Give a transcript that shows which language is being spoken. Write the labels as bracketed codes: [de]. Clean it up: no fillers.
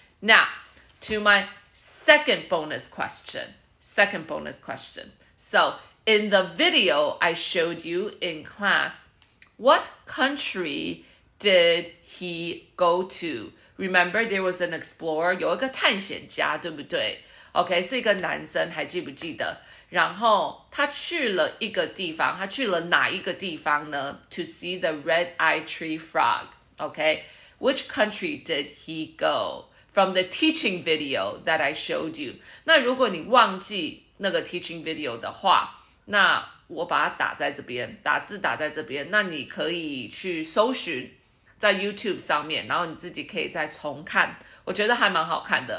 [en] Now, to my second bonus question. Second bonus question. So in the video I showed you in class,What country did he go to? Remember, there was an explorer, [zh] 有一个探险家，对不对？ OK, 是一个男生，还记不记得？然后他去了一个地方，他去了哪一个地方呢？ [en] To see the red-eyed tree frog, OK? Which country did he go? From the teaching video that I showed you. [zh] 那如果你忘记那个 teaching video 的话，那我把它打在这边，打字打在这边，那你可以去搜寻在 YouTube 上面，然后你自己可以再重看，我觉得还蛮好看的。